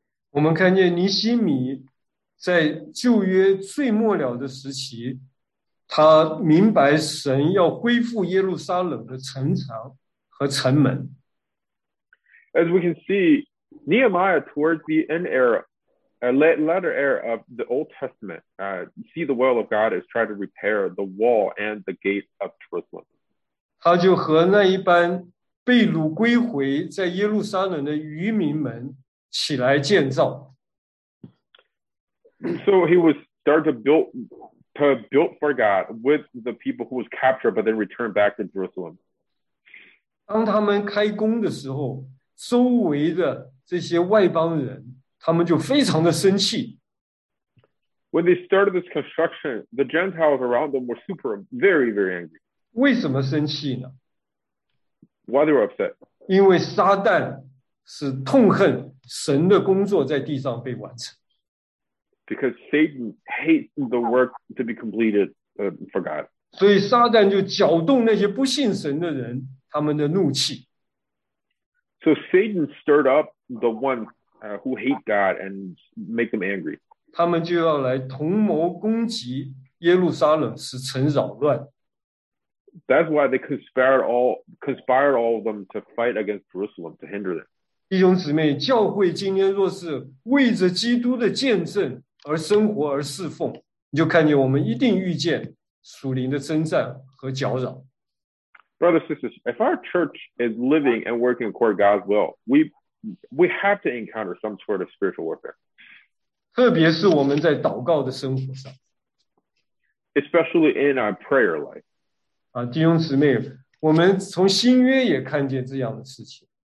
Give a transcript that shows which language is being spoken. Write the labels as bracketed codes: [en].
[zh] 我们看见尼希米在旧约最末了的时期，他明白神要恢复耶路撒冷的城墙和城门。 [en] As we can see, Nehemiah towards the end era, latter era of the Old Testament, see the will of God is trying to repair the wall and the gate of Jerusalem. [zh] 他就和那一般被掳归回在耶路撒冷的渔民们起来建造。 [en] So he was start to build for God with the people who was captured, but then returned back to Jerusalem. [zh] 当他们开工的时候，周围的这些外邦人，他们就非常的生气。 [en] When they started this construction, the Gentiles around them were super, very, very angry. [zh] 为什么生气呢？ [en] Why they were upset? [zh] 因为撒旦是痛恨神的工作在地上被完成。 [en] Because Satan hates the work to be completed for God. [zh] 所以撒旦就搅动那些不信神的人，他们的怒气。 [en] So Satan stirred up the ones who hate God and make them angry. [zh] 他们就要来同谋攻击耶路撒冷，使城扰乱。 [en] That's why they conspired all of them to fight against Jerusalem to hinder them. [zh] 弟兄姊妹，教会今天若是为着基督的见证而生活而侍奉，你就看见我们一定遇见属灵的征战和搅扰。 [en] Brothers and sisters, if our church is living and working according to God's will, we have to encounter some sort of spiritual warfare. [zh] 特别是我们在祷告的生活上。 [en] Especially in our prayer life. [zh] 弟兄姊妹，我们从新约也看见这样的事情。